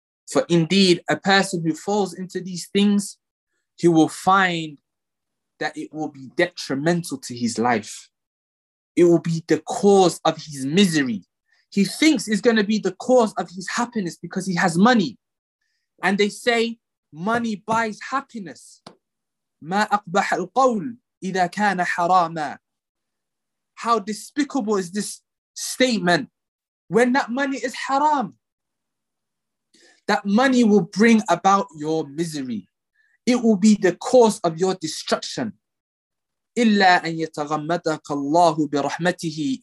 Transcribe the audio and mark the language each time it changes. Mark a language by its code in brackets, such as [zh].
[en] For indeed, a person who falls into these things, he will find that it will be detrimental to his life. It will be the cause of his misery. He thinks it's going to be the cause of his happiness because he has money. And they say, money buys happiness. [ar] مَا أَقْبَحَ الْقَوْلِ إِذَا كَانَ حَرَامًا. [en] How despicable is this statement when that money is haram? That money will bring about your misery. It will be the cause of your destruction. [ar] إِلَّا أَن يَتَغَمَّدَكَ اللَّهُ بِرَحْمَتِهِ.